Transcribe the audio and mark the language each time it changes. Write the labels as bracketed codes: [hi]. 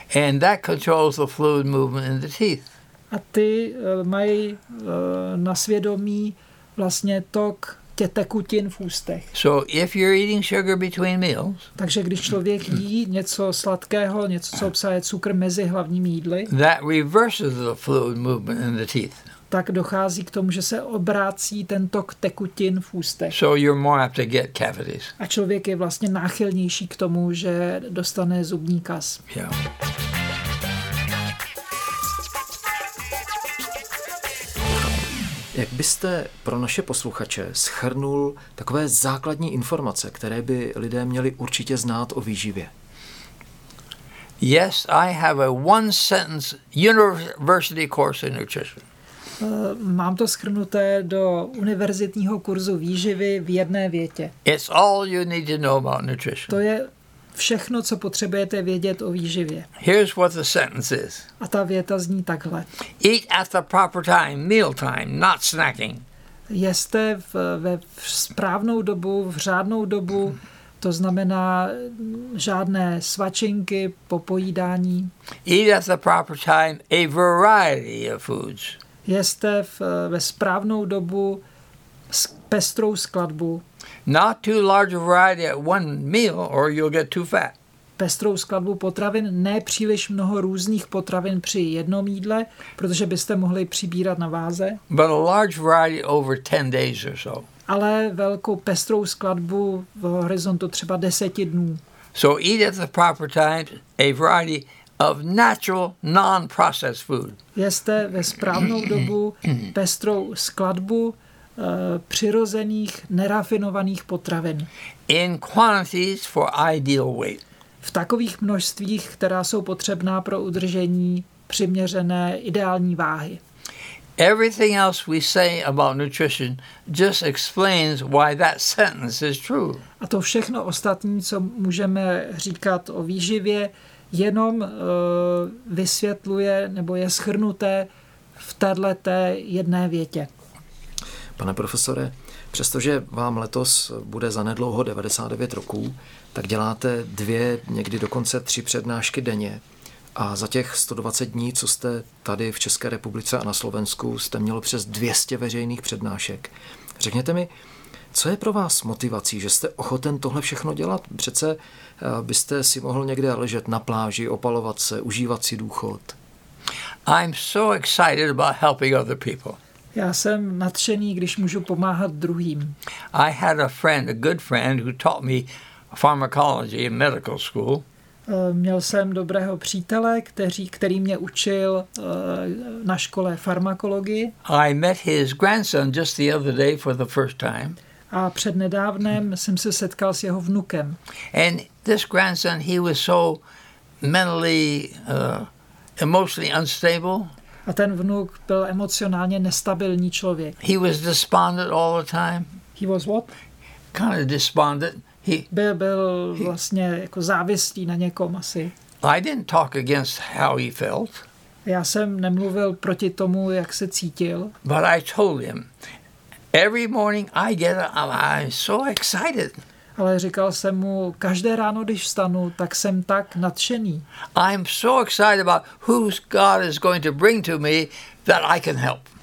[en] And that controls the fluid movement in the teeth. [cs] A ty mají na svědomí vlastně tok tekutin v ústech. [en] So if you're eating sugar between meals, [cs] takže když člověk jí něco sladkého, něco, co obsahuje cukr mezi hlavními jídly, [en] that reverses the fluid movement in the teeth. [cs] Tak dochází k tomu, že se obrácí ten tok tekutin v ústech. [en] So you're more apt to get cavities. [cs] A člověk je vlastně náchylnější k tomu, že dostane zubní kaz. Yeah. Jak byste pro naše posluchače shrnul takové základní informace, které by lidé měli určitě znát o výživě? [en] Yes, I have a one sentence university course in nutrition. [cs] Mám to shrnuté do univerzitního kurzu výživy v jedné větě. [en] It's all you need to know about nutrition. [cs] To je všechno, co potřebujete vědět o výživě. [en] Here's what the sentence is. [cs] A ta věta zní takhle. [en] Eat at the proper time, meal time, not snacking. [cs] Jeste ve správnou dobu, v řádnou dobu, to znamená žádné svačinky, popojídání. [en] Eat at the proper time a variety of foods. [cs] Jeste ve správnou dobu pestrou skladbu. [en] Not too large a variety at one meal or you'll get too fat. [cs] Pestrou skladbu potravin, ne příliš mnoho různých potravin při jednom jídle, protože byste mohli přibírat na váze. [en] But a large variety over 10 days or so. [cs] Ale velkou pestrou skladbu v horizontu třeba 10 dnů. [en] So eat at the proper time a variety of natural non-processed food. [cs] Jeste ve správnou dobu pestrou skladbu přirozených nerafinovaných potravin. [en] In quantities for ideal weight. [cs] V takových množstvích, která jsou potřebná pro udržení přiměřené ideální váhy. [en] Everything else we say about nutrition just explains why that sentence is true. [cs] A to všechno ostatní, co můžeme říkat o výživě, jenom vysvětluje nebo je shrnuté v této jedné větě. Pane profesore, přestože vám letos bude zanedlouho 99 roků, tak děláte dvě, někdy dokonce tři přednášky denně. A za těch 120 dní, co jste tady v České republice a na Slovensku, jste měl přes 200 veřejných přednášek. Řekněte mi, co je pro vás motivací, že jste ochoten tohle všechno dělat? Přece byste si mohl někde ležet na pláži, opalovat se, užívat si důchod. [en] I'm so excited about helping other people. [cs] Já jsem nadšený, když můžu pomáhat druhým. [en] I had a friend, a good friend, who taught me pharmacology in medical school. [cs] Měl jsem dobrého přítele, který mě učil na škole farmakologii. [en] I met his grandson just the other day for the first time. [cs] A přednedávnem jsem se setkal s jeho vnukem. [en] And this grandson, he was so mentally, emotionally unstable. [cs] A ten vnuk byl emocionálně nestabilní člověk. [en] He was despondent all the time. He was what? Kind of despondent. [cs] Byl vlastně jako závislý na někom asi. [en] I didn't talk against how he felt. [cs] Já jsem nemluvil proti tomu, jak se cítil. [en] But I told him, every morning I get up, I'm so excited. [cs] Ale říkal jsem mu, každé ráno, když vstanu, tak jsem tak nadšený. [en] I'm so excited about who God is going to bring to me that I can help.